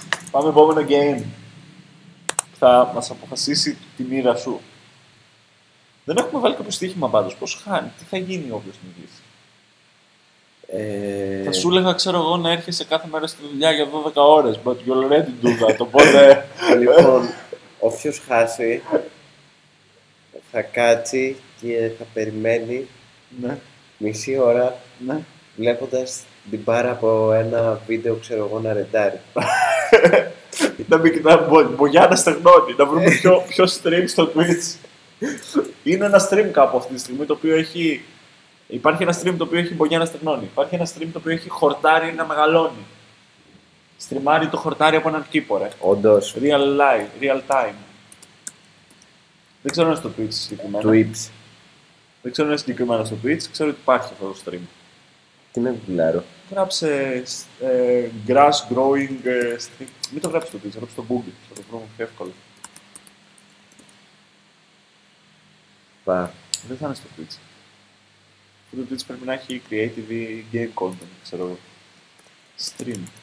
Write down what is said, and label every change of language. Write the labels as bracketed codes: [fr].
[el] Πάμε επόμενο game. Θα μας αποφασίσει τη μοίρα σου. Δεν έχουμε βάλει κάποιο στοίχημα πάντως. Πώς χάνει, τι θα γίνει όποιος νικήσει. Θα σου έλεγα, ξέρω εγώ, να έρχεσαι κάθε μέρα στη δουλειά για 12 ώρες. [en] But you already do that, [el] οπότε... λοιπόν, όποιος χάσει, θα κάτσει και θα περιμένει μισή ώρα βλέποντας την πάρα από ένα βίντεο, ξέρω εγώ, να ρεντάρει. Να μην κοιτάει, μπογιά να στεγνώνει, να βρούμε ποιο stream στο Twitch. Είναι ένα stream κάπου αυτή τη στιγμή το οποίο έχει. Υπάρχει ένα stream το οποίο έχει μπογιά να στεγνώνει. Υπάρχει ένα stream το οποίο έχει χορτάρι να μεγαλώνει. Στριμάρει το χορτάρι από έναν κήπο, ρε. Όντως. [en] Real life, real time. [el] Δεν ξέρω αν είναι στο Twitch συγκεκριμένα. Twitch. Δεν ξέρω αν είναι συγκεκριμένα στο Twitch, ξέρω ότι υπάρχει αυτό το stream. Τι να βουλάρω. Γράψε [en] grass growing stream. [el] Μην το γράψεις το Twitch, γράψε το Google. Θα το βρούμε πιο εύκολο. Πα. Δεν θα είναι στο Twitch. Αυτό το Twitch πρέπει να έχει [en] creative game content, [el] ξέρω. [en] Stream.